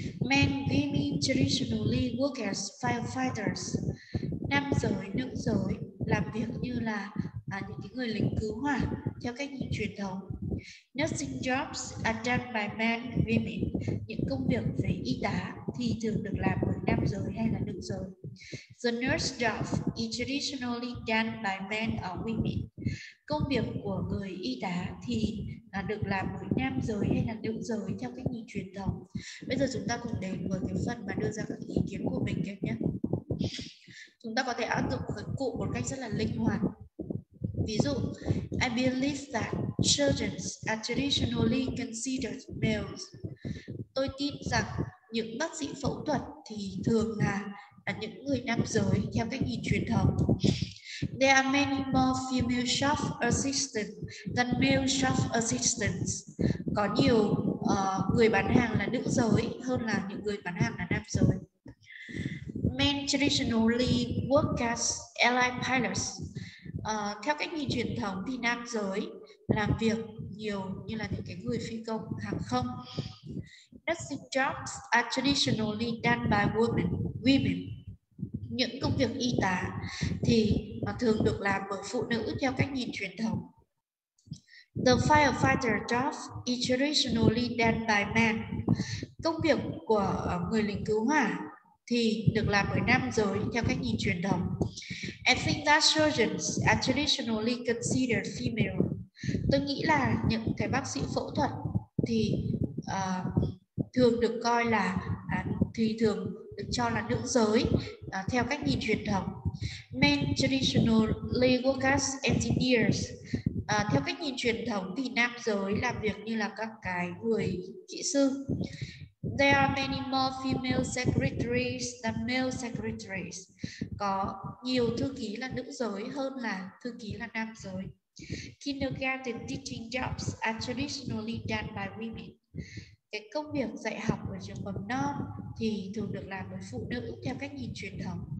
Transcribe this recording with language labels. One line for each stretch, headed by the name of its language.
English: Men women traditionally work as firefighters.
Vietnamese: Nam giới nữ giới làm việc như là những cái người lính cứu hỏa theo cách nhìn truyền thống.
English: Nursing jobs are done by men and women.
Vietnamese: Những công việc về y tá thì thường được làm bởi nam giới hay là nữ giới.
English: The nurse job is traditionally done by men or women.
Vietnamese: Công việc của người y tá thì được làm bởi nam giới hay là nữ giới theo cách nhìn truyền thống. Bây giờ chúng ta cùng đến với cái phần mà đưa ra các ý kiến của mình các nhé. Chúng ta có thể áp dụng cái cụ một cách rất là linh hoạt. Ví dụ,
English: I believe that surgeons are traditionally considered males.
Vietnamese: Tôi tin rằng những bác sĩ phẫu thuật thì thường là những người nam giới theo cách nhìn truyền thống.
English: There are many more female shop assistants than male shop assistants.
Vietnamese: Có nhiều người bán hàng là nữ giới hơn là những người bán hàng là nam giới.
English: Men traditionally work as airline pilots.
Vietnamese: Theo cách nhìn truyền thống thì nam giới làm việc nhiều như là những cái người phi công hàng không.
English: Nursing jobs are traditionally done by women.
Vietnamese: Những công việc y tá thì thường được làm bởi phụ nữ theo cách nhìn truyền thống.
English: The firefighter job is traditionally done by men.
Vietnamese: Công việc của người lính cứu hỏa thì được làm bởi nam giới theo cách nhìn truyền thống.
English: I think that surgeons are traditionally considered female.
Vietnamese: Tôi nghĩ là những cái bác sĩ phẫu thuật thì thường được coi là thì thường được cho là nữ giới theo cách nhìn truyền thống.
English: Men traditionally work as engineers.
Vietnamese: Theo cách nhìn truyền thống thì nam giới làm việc như là các cái người kỹ sư.
English: There are many more female secretaries than male secretaries.
Vietnamese: Có nhiều thư ký là nữ giới hơn là thư ký là nam giới.
English: Kindergarten teaching jobs are traditionally done by women.
Vietnamese: Cái công việc dạy học ở trường mầm non thì thường được làm bởi phụ nữ theo cách nhìn truyền thống.